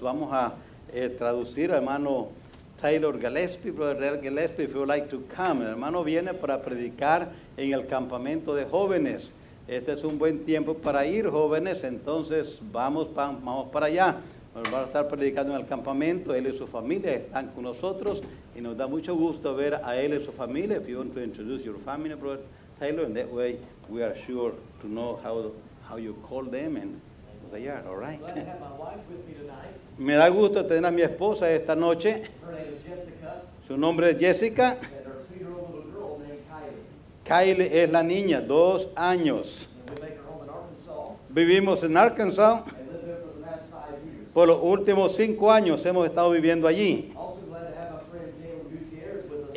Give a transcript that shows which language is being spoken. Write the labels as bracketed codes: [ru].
[es] Vamos a traducir, hermano Taylor Gillespie, [en] brother Gillespie, if you would like to come. [es] El hermano viene para predicar en el campamento de jóvenes. Este es un buen tiempo para ir, jóvenes. Entonces, vamos para allá. Nos van a estar predicando en el campamento. Él y su familia están con nosotros. Y nos da mucho gusto ver a él y su familia. [en] If you want to introduce your family, brother Taylor, in that way, we are sure to know how you call them and who they are. All right. Glad to have my wife with me tonight. [es] Me da gusto tener a mi esposa esta noche. [en] Her name is Jessica. [es] Su nombre es Jessica. [en] And her three-year-old little girl named Kylie. [es] Kylie es la niña, 2 años. [en] And we make her home in Arkansas. [es] Vivimos en Arkansas. [en] And live there for the last 5 years. [es] Por los últimos 5 años hemos estado viviendo allí. [en] Also glad to have my friend Daniel Gutierrez with us.